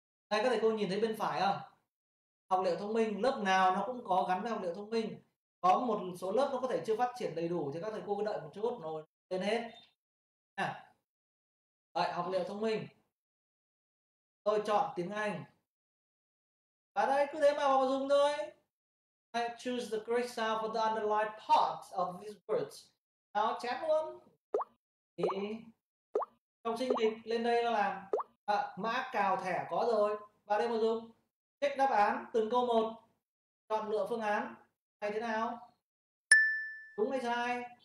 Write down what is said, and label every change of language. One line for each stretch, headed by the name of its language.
Vietnamese: Đây, các thầy cô nhìn thấy bên phải không? Học liệu thông minh, lớp nào nó cũng có gắn với học liệu thông minh. Có một số lớp nó có thể chưa phát triển đầy đủ thì các thầy cô cứ đợi một chút rồi lên hết. À, Vậy học liệu thông minh. Tôi chọn tiếng Anh. Và đây cứ thế mà học dùng thôi.
English: I choose the correct sound for the underlined parts of these words.
Vietnamese: Nó chán luôn. Thì trong sinh nghiệp lên đây nó làm. À, mã cào thẻ có rồi. Và đây mà dùng. Check đáp án từng câu một. Chọn lựa phương án. Hay thế nào? Đúng hay sai?